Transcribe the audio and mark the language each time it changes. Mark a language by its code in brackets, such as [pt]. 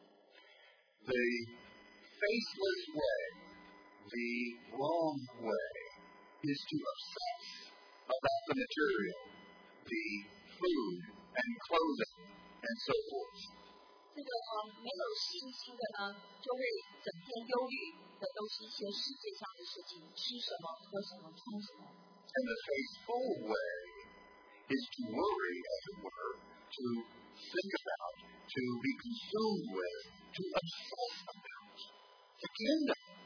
[en] faceless way, the wrong way, is to obsess about the material, the food and clothing and so forth. [zh] 这个没有信心的呢,就会整天忧虑的都是一些世界上的事情,吃什么,喝什么,穿什么。 [en] And the faithful way is to worry, as it were, to think about, to be consumed with, to obsess about the kingdom.